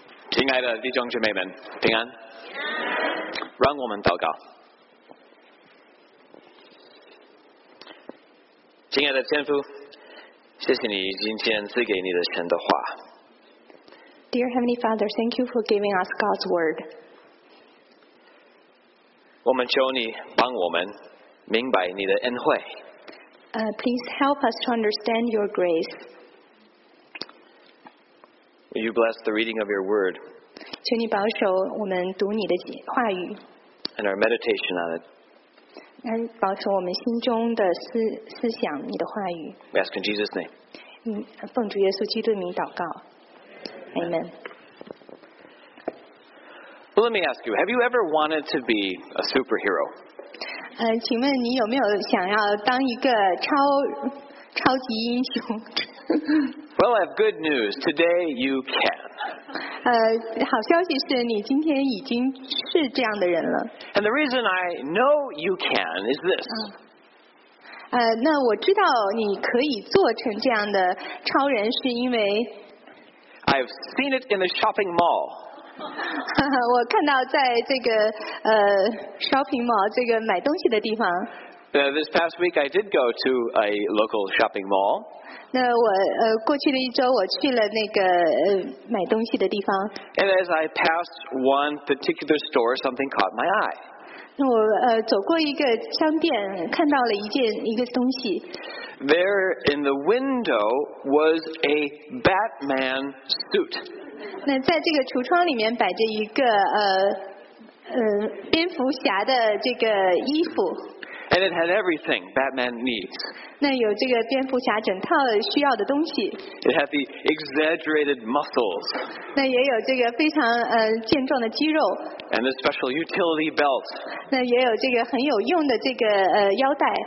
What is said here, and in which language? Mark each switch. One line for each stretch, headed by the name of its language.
Chinese: 亲爱的弟兄姐妹们，平安。让我们祷告。亲爱的天父，谢谢你今天赐给你的神的话。
English: Dear Heavenly Father, thank you for giving us God's word.
Chinese: 我们求你帮我们明白你的恩惠。
English: Please help us to understand your grace. Will you bless the reading of your word?
Chinese: 请你保守我们读你的话语。
English: And our meditation on it.
Chinese: 来保守我们心中的思想你的话语。
English: We ask in Jesus' name.
Chinese: 奉主耶稣基督的名祷告。
English: Amen. Well, let me ask you, have you ever wanted to be a superhero?
Chinese: 请问你有没有想要当一个超级英雄?
English: Well, I have good news. Today you can.
Chinese: 好消息是你今天已经是这样的人了。
English: And the reason I know you can is this.
Chinese: 那我知道你可以做成这样的超人是因为
English: I've seen it in the shopping mall.
Chinese: 我看到在这个shopping mall 这个买东西的地方。
English: This past week I did go to a local shopping mall.
Chinese: 那我过去的一周我去了那个买东西的地方。
English: And as I passed one particular store, something caught my eye.
Chinese: 那我走过一个商店，看到了一个东西。
English: There in the window was a Batman suit.
Chinese: 那在这个橱窗里面摆着一个蝙蝠侠的这个衣服。
English: And it had everything Batman needs.
Chinese: 那有这个蝙蝠侠整套需要的东西。
English: It had the exaggerated muscles.
Chinese: 那也有这个非常健壮的肌肉。
English: And the special utility belt.
Chinese: 那也有这个很有用的这个腰带。